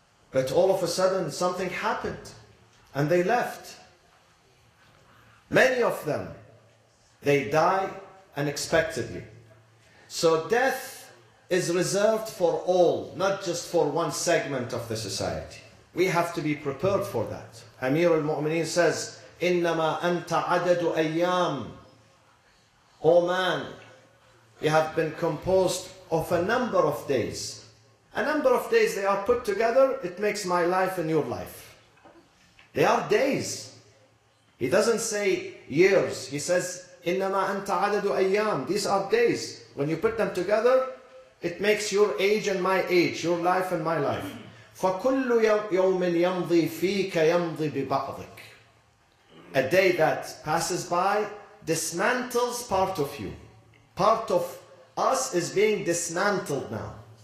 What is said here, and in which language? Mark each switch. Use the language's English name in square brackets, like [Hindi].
[English] But all of a sudden, something happened, and they left. Many of them, they die unexpectedly. So death is reserved for all, not just for one segment of the society. We have to be prepared for that. Amir al-Mu'mineen says, [Arabic] إِنَّمَا أَنْتَ عَدَدُ أَيَّامٍ. [English] O man, you have been composed of a number of days. A number of days, they are put together, it makes my life and your life. They are days. He doesn't say years. He says, [Arabic] إِنَّمَا أَنْتَ عَدَدُ أَيَّامٍ. [English] These are days. When you put them together, it makes your age and my age, your life and my life. [Arabic] فَكُلُّ يَوْمٍ يَمْضِي فِيكَ يَمْضِي بِبَعْضِكَ. [English] A day that passes by dismantles part of you. Part of us is being dismantled now.